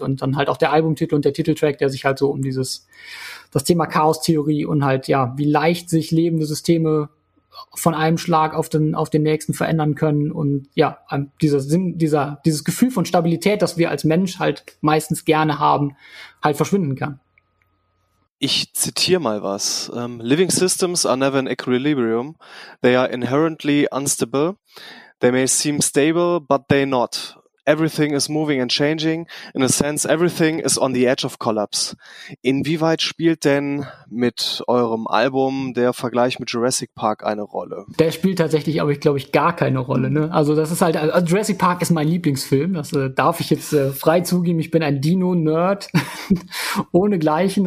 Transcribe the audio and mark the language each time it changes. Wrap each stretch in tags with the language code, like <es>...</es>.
<de>Und dann halt auch der Albumtitel und der Titeltrack, der sich halt so um das Thema Chaos-Theorie und halt, ja, wie leicht sich lebende Systeme von einem Schlag auf den nächsten verändern können. Und ja, dieses Gefühl von Stabilität, das wir als Mensch halt meistens gerne haben, halt verschwinden kann. Ich zitiere mal was.</de> <en>Living systems are never in equilibrium. They are inherently unstable. They may seem stable, but they're not. Everything is moving and changing. In a sense, everything is on the edge of collapse.</en> <de>Inwieweit spielt denn mit eurem Album der Vergleich mit Jurassic Park eine Rolle? Der spielt tatsächlich, aber ich glaube, ich gar keine Rolle. Ne? Also das ist halt, also Jurassic Park ist mein Lieblingsfilm. Das darf ich jetzt frei zugeben. Ich bin ein Dino-Nerd ohne Gleichen.</de>